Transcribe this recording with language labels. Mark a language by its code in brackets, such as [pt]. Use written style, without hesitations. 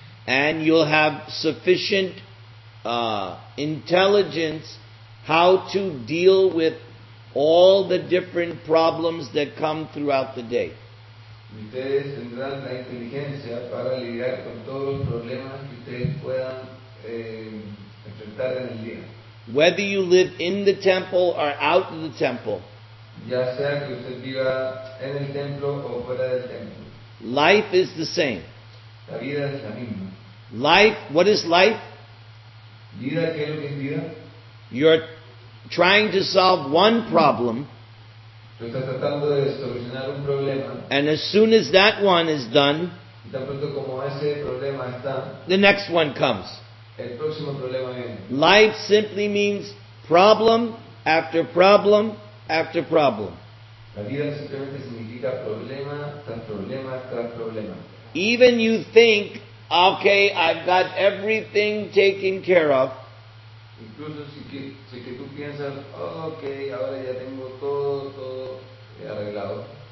[en] And you'll have sufficient intelligence how to deal with all the different problems that come throughout the day. [es] Ustedes tendrán la inteligencia para lidiar con todos los problemas que ustedes puedan enfrentar en el día. [en] Whether you live in the temple or out of the temple, [es] ya sea que usted viva en el templo o fuera del templo, [en] life is the same. [es] La vida es la misma. [en] Life, what is life? [es] Vida, ¿qué es lo que es vida? [en] You're trying to solve one problem, [es] estás tratando de solucionar un problema, [en] and as soon as that one is done, [es] tan pronto como ese problema está, [en] the next one comes. [es] El próximo problema viene. [en] Life simply means problem after problem after problem. [es] La vida simplemente significa problema tras problema tras problema. [en] Even you think, okay, I've got everything taken care of. [es] Incluso si que tú piensas, oh, okay, ahora ya tengo todo arreglado.